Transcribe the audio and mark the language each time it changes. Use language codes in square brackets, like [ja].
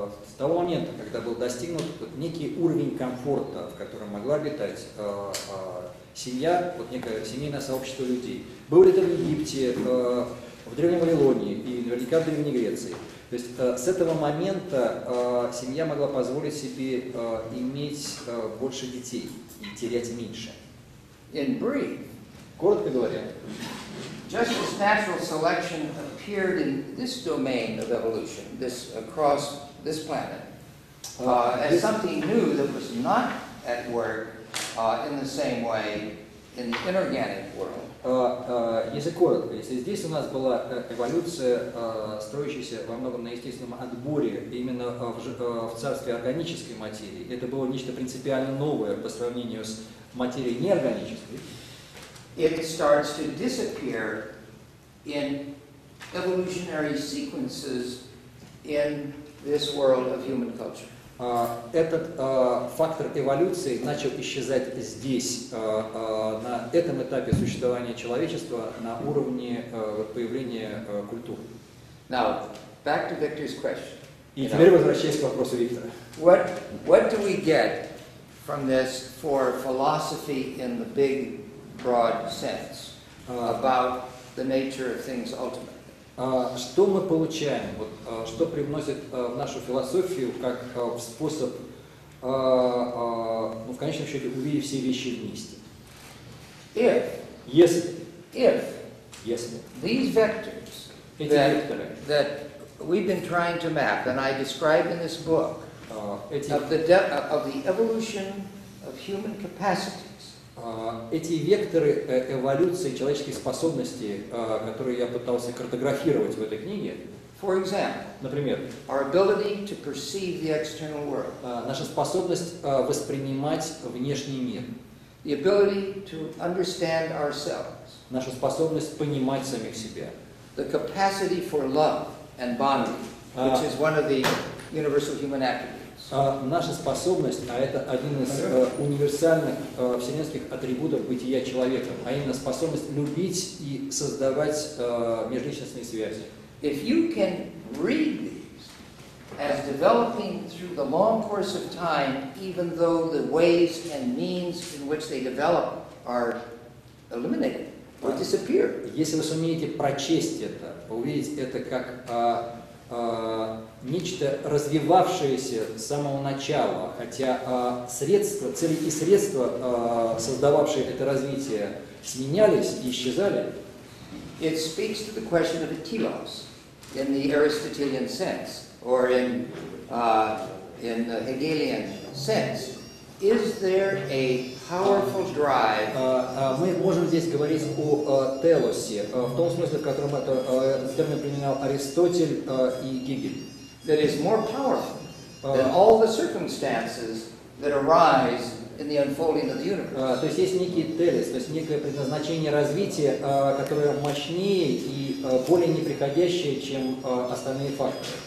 [ru] С того момента, когда был достигнут некий уровень комфорта, в котором могла обитать семья, вот некое семейное сообщество людей, было ли это в Египте, в Древнем Вавилонии и наверняка в Древней Греции, то есть с этого момента семья могла позволить себе иметь больше детей и терять меньше. [en] In brief, [ru] коротко говоря, [en] just as natural selection appeared in this domain of evolution, this across this planet, as something new that was not at work in the same way in the inorganic world. [ru] Если коротко, если здесь у нас была эволюция, строящаяся во многом на естественном отборе, именно в царстве органической материи, это было нечто принципиально новое по сравнению с материей неорганической. [en] It starts to disappear in evolutionary sequences in this world of human culture. [ru] Этот фактор эволюции начал исчезать здесь, на этом этапе существования человечества, на уровне появления культуры. [en] Now, back to Victor's question. [ru] И теперь возвращаясь к вопросу Виктора. [en] What do we get from this for philosophy in the big broad sense about the nature of things ultimately. [ru] Что мы получаем? Вот что привносит в нашу философию как в способ, в конечном счете, увидеть все вещи вместе. [en] If these vectors that we've been trying to map and I describe in this book of the evolution of human capacity. [ru] Эти векторы эволюции человеческих способностей, которые я пытался картографировать в этой книге, [en] for example, [ru] например, [en] our ability to perceive the external world, [ru] наша способность воспринимать внешний мир, [en] the ability to understand ourselves, [ru] наша способность понимать самих себя, [en] the capacity for love and bonding, which is one of the universal human attributes. [ru] Наша способность, а это один из универсальных вселенских атрибутов бытия человека, а именно способность любить и создавать межличностные связи. [en] If you can read these as developing through the long course of time, even though the ways and means in which they develop are eliminated or disappear. [ru] Если вы сумеете прочесть это, увидеть это как нечто развивавшееся с самого начала, хотя средства, цели и средства, создававшие это развитие, сменялись и исчезали. [en] It speaks to the question of a telos in the Aristotelian sense, or in the Hegelian sense. Is there a powerful drive? [ru] Мы можем здесь говорить о телосе, в том смысле, в котором это термин применял Аристотель и Гегель. [en] That is more powerful than all the circumstances that arise in the unfolding of the universe. [ru] То есть есть некий телес, то есть некое предназначение развития, которое мощнее и более неприходящее, чем остальные факторы.